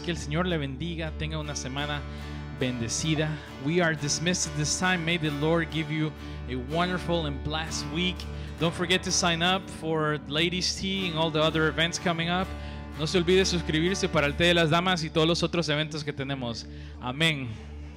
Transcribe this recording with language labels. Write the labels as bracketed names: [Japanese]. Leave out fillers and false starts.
[Spanish] Que el Señor le bendiga, tenga una semana bendecida. [English] We are dismissed at this time. May the Lord give you a wonderful and blessed week. Don't forget to sign up for Ladies' Tea and all the other events coming up. [Spanish] No se olvide suscribirse para el Té de las Damas y todos los otros eventos que tenemos. Amén.